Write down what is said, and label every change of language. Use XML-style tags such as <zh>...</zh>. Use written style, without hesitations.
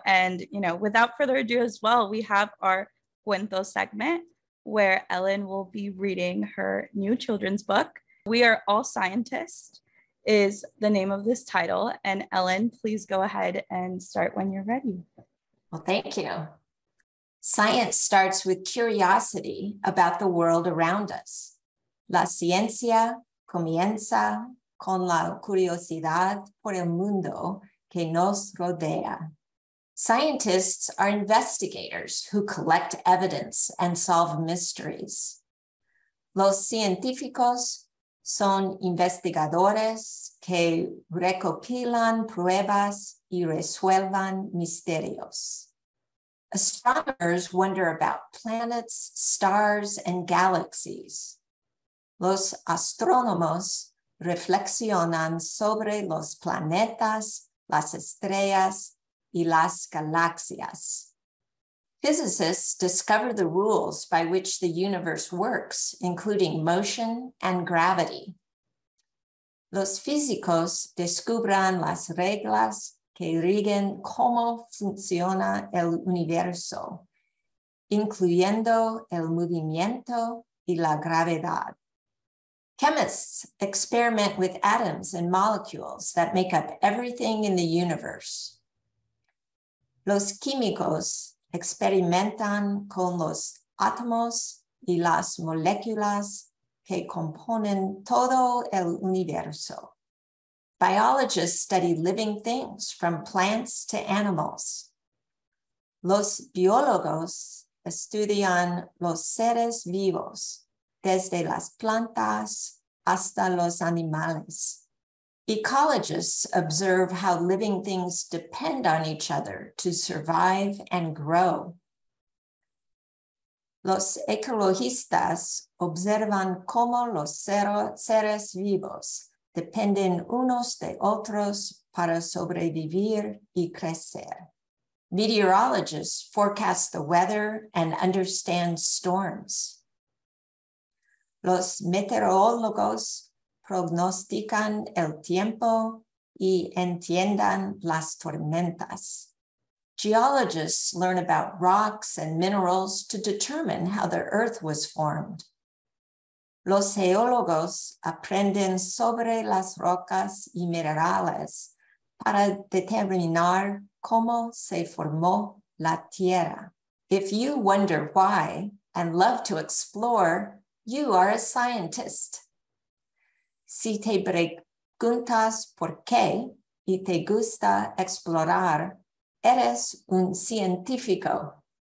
<en>And, you know, without further ado as well, we have our Cuento segment, where Ellen will be reading her new children's book, We Are All Scientists, is the name of this title. And Ellen, please go ahead and start when you're ready. Well, thank you. Science starts with curiosity about the world around us.</en> <es>La ciencia comienza con la curiosidad por el mundo que nos rodea.</es> <en>Scientists are investigators who collect evidence and solve mysteries.</en> <es>Los científicos son investigadores que recopilan pruebas y resuelvan misterios.</es> <en>Astronomers wonder about planets, stars, and galaxies.</en> <es>Los astrónomos reflexionan sobre los planetas, las estrellas, y las galaxias.</es> <en>Physicists discover the rules by which the universe works, including motion and gravity.</en> <es>Los físicos descubran las reglas que rigen cómo funciona el universo, incluyendo el movimiento y la gravedad.</es> <en>Chemists experiment with atoms and molecules that make up everything in the universe.</en> <es>Los químicos experimentan con los átomos y las moléculas que componen todo el universo.</es> <en>Biologists study living things from plants to animals.</en> <es>Los biólogos estudian los seres vivos desde las plantas hasta los animales.</es> <en>Ecologists observe how living things depend on each other to survive and grow.</en> <es>Los ecologistas observan cómo los seres vivos dependen unos de otros para sobrevivir y crecer.</es> <en>Meteorologists forecast the weather and understand storms.</en> <es>Los meteorólogos prognostican el tiempo y entiendan las tormentas.</es> <en>Geologists learn about rocks and minerals to determine how the earth was formed.</en> <es>Los geólogos aprenden sobre las rocas y minerales para determinar cómo se formó la tierra.</es> <en>If you wonder why and love to explore, you are a scientist.</en> <es>Si te preguntas por qué y te gusta explorar, eres un científico.</es>